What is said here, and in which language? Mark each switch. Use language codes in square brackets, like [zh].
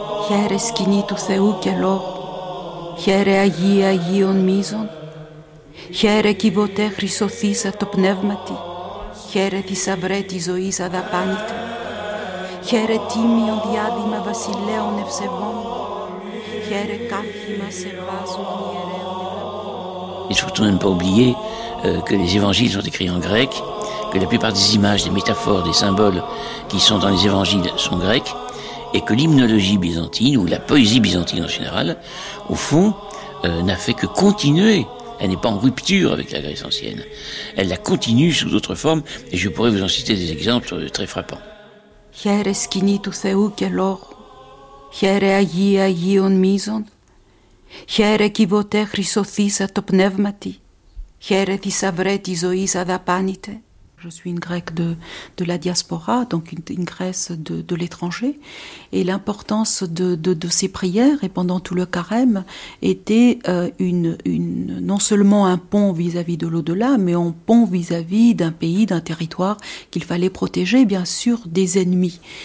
[el] Χαίρε σκηνή του Θεού και λόγου, χαίρε Αγία Αγίων Μίζων, χαίρε κυβωτέ χρυσοθύσα το πνεύματι, χαίρε θησαυρέ τη ζωή αδαπάνητα, χαίρε τίμιο διάδειμα βασιλέων ευσεβών, χαίρε κάθημα σεβάζων ιερέων. [fr] Il faut tout de même pas oublier que les évangiles sont écrits en grec, que la plupart des images, des métaphores, des symboles qui sont dans les évangiles sont grecs. Et que l'hymnologie byzantine, ou la poésie byzantine en général, au fond, n'a fait que continuer Elle n'est pas en rupture avec la Grèce ancienne. Elle la continue sous d'autres formes, et je pourrais vous en citer des exemples très frappants. [el] Χαίρε σκηνή του Θεού και λόγου, χαίρε Αγία Αγίων μίζων, χαίρε κυβωτέ χρυσοθήσα το πνεύματι, χαίρε θησαυρέ τη ζωή αδαπάνητε. [fr] Je suis une Grecque de la diaspora, donc une Grèce de l'étranger. Et l'importance de ces prières, et pendant tout le carême, était non seulement un pont vis-à-vis de l'au-delà, mais un pont vis-à-vis d'un pays, d'un territoire qu'il fallait protéger, bien sûr, des ennemis.